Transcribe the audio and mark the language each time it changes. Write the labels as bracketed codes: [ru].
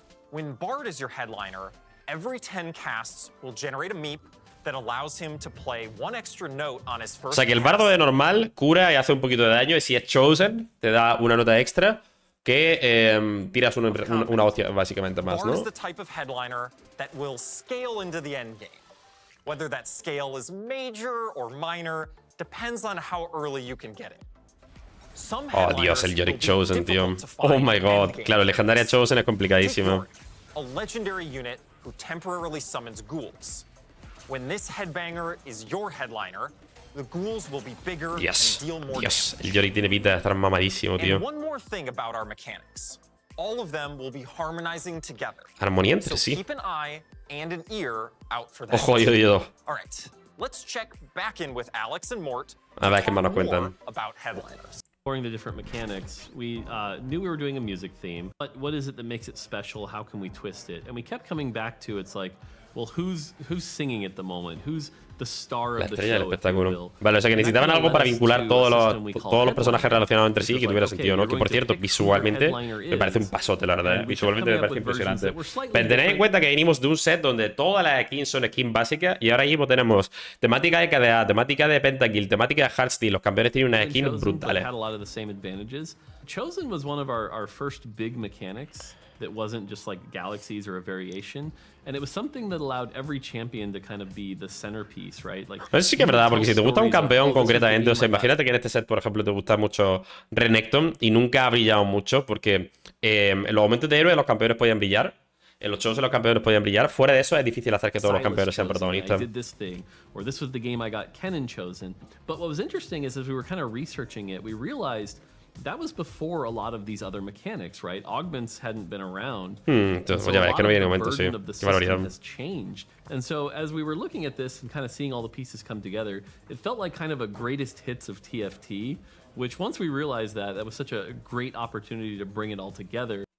[en] When Bard is your headliner, every 10 casts will generate a meep that allows him to play one extra note on his first. [es] O sea que el bardo de normal cura y hace un poquito de daño, y si es chosen te da una nota extra que tiras una hostia básicamente más, ¿no? [en] Bard is the type of headliner that will scale into the end game. Whether that scale is major or minor depends on how early you can get it. [es] Oh, Dios, el Yorick Chosen, tío. [en] Oh my god. [es] Claro, legendaria Chosen es complicadísimo. [en] A legendary unit who temporarily summons ghouls. When this headbanger is your headliner, the ghouls will be bigger and deal more damage. [es] Dios, el Yorick tiene pinta de estar mamadísimo, tío. [en] And one more thing about our mechanics. All of them will be harmonizing together. [es] Armonía entre sí. [en] So keep an eye and an ear out for that. [es] Ojo, oído, oído. [en] All right. Let's check back in with Alex and Mort. [es] A ver qué más nos cuentan. [en] About headliners. Exploring the different mechanics, we knew we were doing a music theme, but what is it that makes it special? How can we twist it? And we kept coming back to it's like, well, who's singing at the moment? Who's the star of the show? [es] Espectáculo. Vale, o sea que necesitaban algo para vincular todos los personajes relacionados entre sí, que tuviera sentido, ¿no? Que por cierto, visualmente me parece un pasote, la verdad. Visualmente me parece impresionante. Pero tened en cuenta que venimos de un set donde todas las skins son skins básicas y ahora mismo tenemos temática de KDA, temática de Pentakill, temática de Hearthstone. Los campeones tienen unas skins brutales. [en] Chosen was one of our first big mechanics. It wasn't just like galaxies or a variation, and it was something that allowed every champion to kind of be the centerpiece, right? Like, [es] eso sí que es verdad, porque si te gusta un campeón concretamente, o sea, imagínate que en este set, por ejemplo, te gusta mucho Renekton y nunca ha brillado mucho, porque en los momentos de héroe los campeones podían brillar, en los shows los campeones podían brillar, fuera de eso es difícil hacer que todos los campeones sean protagonistas. [en] I did this thing, or this was the game I got Kennen chosen. But what was interesting is as we were kind of researching it, we realized that was before a lot of these other mechanics, right? Augments hadn't been around. And so as we were looking at this and kind of seeing all the pieces come together, it felt like kind of a greatest hits of TFT, which once we realized that, that was such a great opportunity to bring it all together.